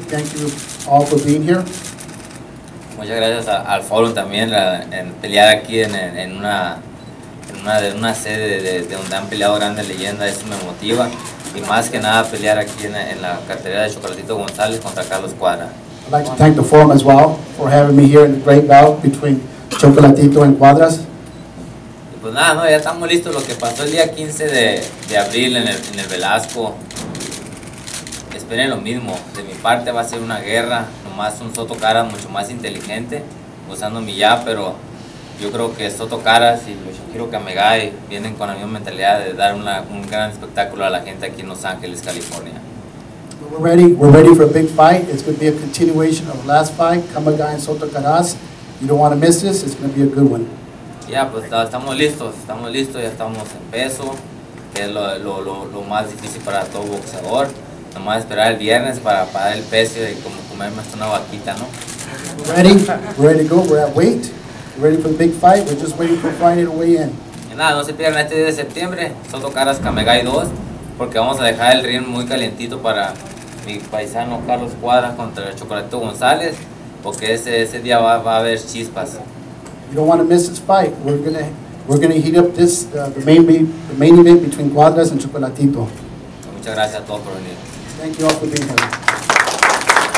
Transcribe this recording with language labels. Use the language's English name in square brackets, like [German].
[English] Thank you all for being here. [Spanish] Muchas gracias al Forum también, en pelear aquí en una sede de donde han peleado grandes leyendas. Eso me motiva. Y más que nada, pelear aquí en la cartelera de Chocolatito Gonzalez contra Carlos Cuadra. [English] I'd like to thank the Forum as well for having me here in the great bout between Chocolatito and Cuadras. [Spanish] Pues nada, no, ya estamos listos. Lo que pasó el día 15 de abril en el Velasco, esperen lo mismo. De mi parte va a ser una guerra, nomás un Soto Karass mucho más inteligente, usando mi ya, pero yo creo que Soto Karass y Yoshihiro Kamegai vienen con la misma mentalidad de dar un gran espectáculo a la gente aquí en Los Ángeles, California. [English] We're ready for a big fight. It's going to be a continuation of the last fight, Kamegai and Soto Karass. You don't want to miss this. It's going to be a good one. [Spanish] Yeah, pues estamos listos, ya estamos en peso, que es lo más difícil para todo boxeador. Nomás esperar el viernes para el peso y como comerme hasta una vaquita, ¿no? [English] We're ready to go, we're at weight. We're ready for the big fight, we're just waiting for Friday to weigh in. [Spanish] Y nada, no se pierdan este 10 de septiembre, Soto Karass Kamegai 2, porque vamos a dejar el ring muy calientito para mi paisano Carlos Cuadras contra el Chocolatito González, porque ese día va a haber chispas. [English] You don't want to miss this fight. We're gonna heat up this the main event between Cuadras and Chocolatito. [Spanish] Muchas gracias a todos por venir. [English] Thank you all for being here.